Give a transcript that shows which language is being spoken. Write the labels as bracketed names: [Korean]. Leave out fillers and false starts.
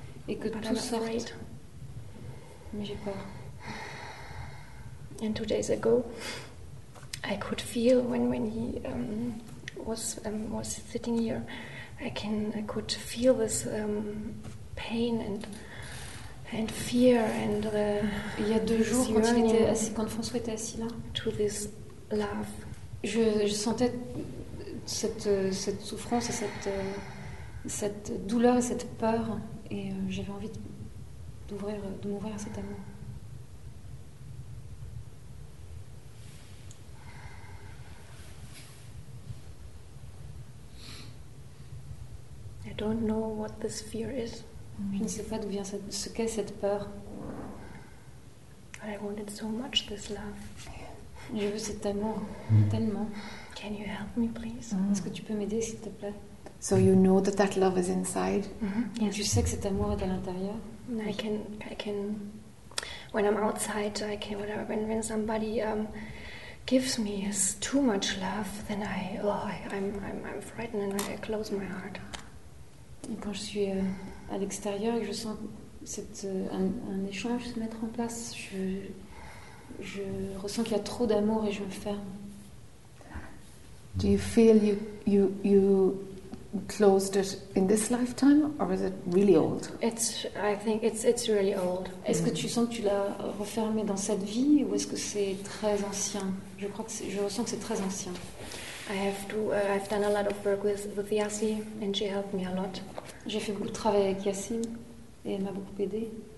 [French] Et que tout sort. Mais j'ai peur. [English] And 2 days ago, I could feel when he was sitting here, I could feel this pain and fear and the. [French] Il y a deux jours quand il était assis, quand François était assis là. [English] To this love. [French] Je sentais cette souffrance et cette douleur et cette peur. Et j'avais envie de m'ouvrir à cet amour. [English] I don't know what this fear is. [French] Je ne sais pas d'où vient ce qu'est cette peur. [English] But I wanted so much this love. [French] Je veux cet amour tellement. [English] Can you help me, please? [French] Est-ce que tu peux m'aider, s'il te plaît? [English] So you know that love is inside. Mm-hmm. [French] Yes. Tu sais que cet amour est à l'intérieur. [English] I can. When I'm outside, I can. Whatever. When somebody gives me too much love, then I'm frightened and I close my heart. [French] Et quand je suis à l'extérieur et que je sens un échange se mettre en place, je ressens qu'il y a trop d'amour et je me ferme. [English] Do you feel you closed it in this lifetime, or is it really old? I think it's really old. [French] Est-ce que tu sens que tu l'as refermé dans cette vie, ou est-ce que c'est très ancien? Je ressens que c'est très ancien. [English] I've done a lot of work with Yassi, and she helped me a lot. [French] J'ai fait beaucoup de travail avec Yassi, et elle m'a beaucoup aidée.